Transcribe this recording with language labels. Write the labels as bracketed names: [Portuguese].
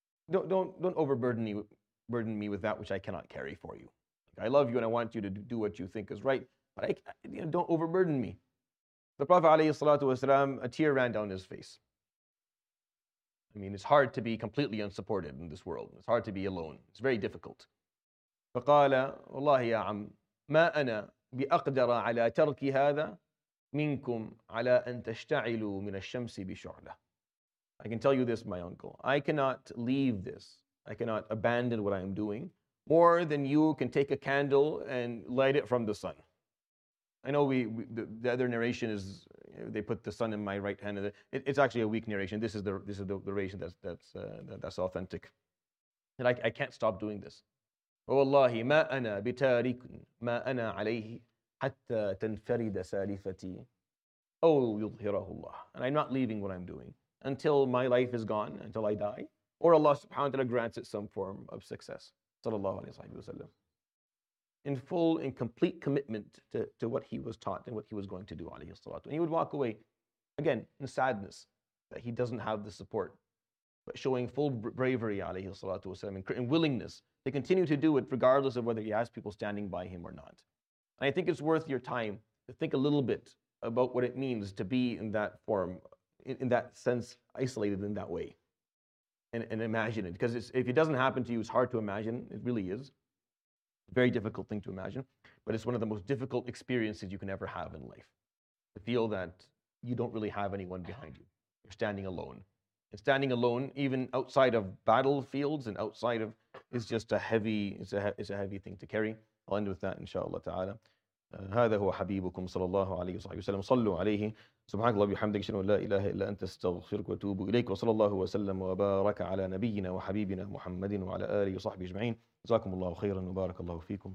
[English] Don't overburden me with that which I cannot carry for you. I love you and I want you to do what you think is right, but don't overburden me. The Prophet alayhi salatu wasalam, a tear ran down his face. I mean, it's hard to be completely unsupported in this world. It's hard to be alone. It's very difficult. [Arabic] فقال والله يا عم ما أنا بأقدر على ترك هذا منكم على أن تشتعلوا من الشمس بشعلة. [English] I can tell you this, my uncle. I cannot leave this. I cannot abandon what I am doing more than you can take a candle and light it from the sun. I know the other narration is they put the sun in my right hand. It's actually a weak narration. This is the narration that's authentic. And I can't stop doing this. [Arabic] والله ما أنا بتارك ما أنا عليه حتى تنفرد سالفتي أو يظهره الله. [English] And I'm not leaving what I'm doing until my life is gone, until I die, or Allah subhanahu wa ta'ala grants it some form of success. Sallallahu alayhi wa sallam. In full and complete commitment to what he was taught and what he was going to do, alayhi salatu. And he would walk away, again, in sadness that he doesn't have the support, but showing full bravery, alayhi salatu wasalam, and willingness to continue to do it regardless of whether he has people standing by him or not. And I think it's worth your time to think a little bit about what it means to be in that form, in that sense, isolated in that way, and imagine it. Because if it doesn't happen to you, it's hard to imagine. It really is. Very difficult thing to imagine. But it's one of the most difficult experiences you can ever have in life. To feel that you don't really have anyone behind you. You're standing alone. And standing alone, even outside of battlefields and outside of, is just a heavy thing to carry. I'll end with that, inshallah ta'ala. [Arabic] هذا هو حبيبكم صلى الله عليه وصحبه وسلم. صلوا عليه. سبحانك اللهم وبحمدك اشهد ان لا اله الا انت استغفرك واتوب اليك. وصلى الله وسلم وبارك على نبينا وحبيبنا محمد وعلى اله وصحبه اجمعين. جزاكم الله خيرا وبارك الله فيكم.